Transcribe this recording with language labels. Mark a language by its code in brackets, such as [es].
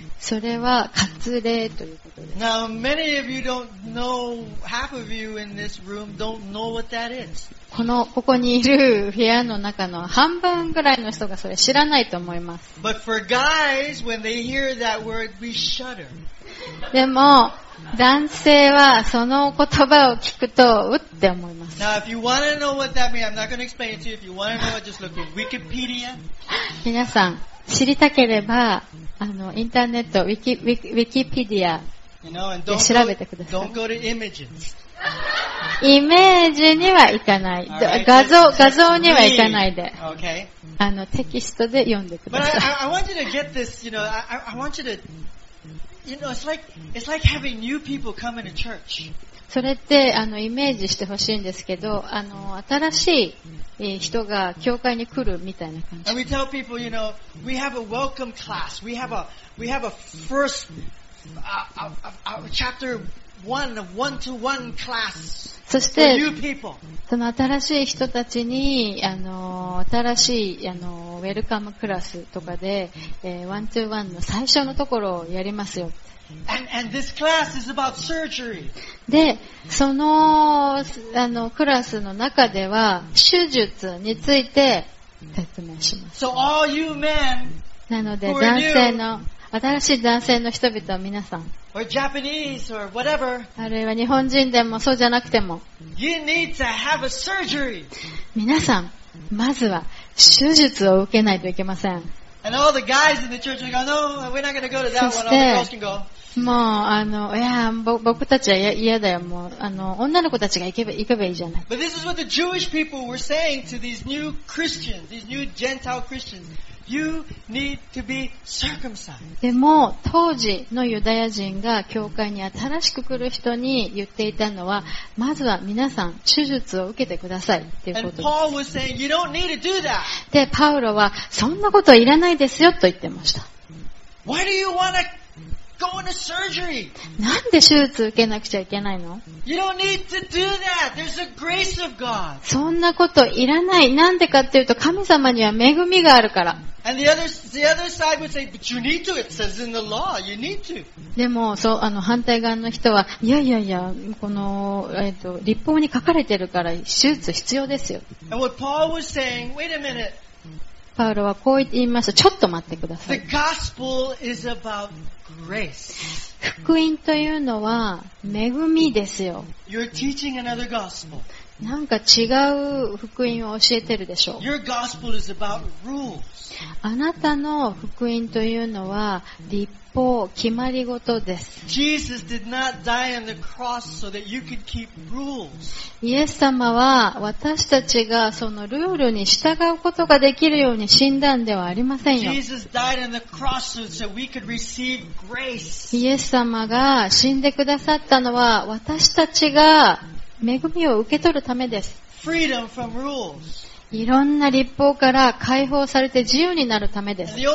[ja] それは割礼ということです。 [en] Now many of you don't know, half of you in this room don't know what that is. [ja] このここにいる部屋の中の半分ぐらいの人がそれ知らないと思います。 [en] But for guys, when they hear that word, we shudder. [ja] でも男性はその言葉を聞くとうって思います。 [en] Now if you want to know what that means, I'm not going to explain it to you. If you want to know it, just look at Wikipedia. [ja] 皆さん知りたければインターネットウィキペディアで調べてください。 [en] Don't go to images. [ja] イメージには行かない。画像には行かないで。 [en] Okay. [ja] テキストで読んでください。 [en] But I want you to get this, you know, I want you to, you know, it's like having new people come into church. [ja] それってイメージしてほしいんですけど、新しい人が教会に来るみたいな感じ。 [en] And we tell people, you know, we have a welcome class. We have a first, a chapter. One-to-one class. [ja] そして [en] for new people. [ja] その新しい人たちに新しいウェルカムクラスとかで、One-to-one の最初のところをやりますよ。 [en] And this class is about surgery. [ja] で、そのクラスの中では手術について説明します。 [en] So all you men, [ja] なので男性の新しい男性の人々は皆さん、 [en] or Japanese or whatever, [ja] あるいは日本人でもそうじゃなくても、 [en] you need to have a surgery. [ja] 皆さん、まずは手術を受けないといけません。 [en] And all the guys in the church will go, no, we're not going to go to that one. All the girls can go. [ja] もう僕たちは嫌だよ。もう女の子たちが行けばいいじゃない。 [en] But this is what the Jewish people were saying to these new Christians, these new Gentile Christians. You need to be circumcised. [ja] でも当時のユダヤ人が教会に新しく来る人に言っていたのは、まずは皆さん手術を受けてくださいっていうことです。 [en] And Paul was saying, you don't need to do that. [ja] でパウロはそんなことはいらないですよと言ってました。 [en] Why do you want to? Go into surgery. [ja] なんで手術受けなくちゃいけないの？ [en] You don't need to do that. There's a grace of God. [ja] そんなこといらない。なんでかっていうと、神様には恵みがあるから。 [en] And the other side would say, but you need to. It says in the law, you need to. [ja] でも、そう反対側の人は、いやいやいや、この立法に書かれてるから手術必要ですよ。 [en] And what Paul was saying, wait a minute. [ja] パウロはこう言いました。ちょっと待ってください。 [en] The gospel is about grace. [ja] 福音というのは恵みですよ。 [en] You're teaching another gospel. [ja] なんか違う福音を教えてるでしょう。 [en] Your gospel is about rules. [ja] あなたの福音というのは立法、決まり事です。 [en] Jesus did not die on the cross so that you could keep rules. [ja] イエス様は私たちがそのルールに従うことができるように死んだんではありませんよ。 [en] Jesus died on the cross so that we could receive grace. [ja] イエス様が死んでくださったのは私たちが恵みを受け取るためです。 [en] Freedom from rules. [ja] いろんな立法から解放されて自由になるためです。